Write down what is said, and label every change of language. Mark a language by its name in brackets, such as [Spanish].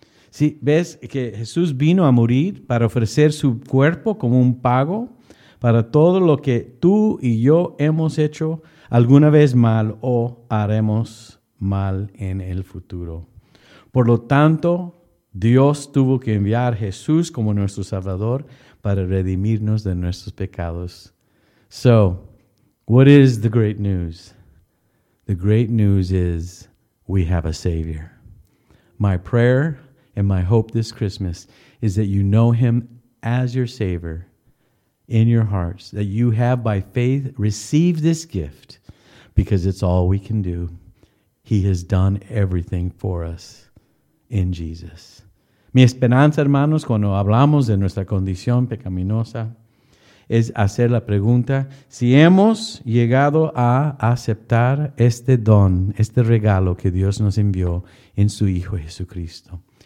[Spanish] Sí, ves que Jesús vino a morir para ofrecer su cuerpo como un pago para todo lo que tú y yo hemos hecho alguna vez mal o haremos mal en el futuro. Por lo tanto, Dios tuvo que enviar a Jesús como nuestro Salvador para redimirnos de nuestros pecados. [English] So, what is the great news? The great news is we have a Savior. My prayer and my hope this Christmas is that you know him as your Savior in your hearts, that you have by faith received this gift because it's all we can do. He has done everything for us in Jesus. [Spanish] Mi esperanza, hermanos, cuando hablamos de nuestra condición pecaminosa, es hacer la pregunta, si hemos llegado a aceptar este don, este regalo que Dios nos envió en su Hijo Jesucristo.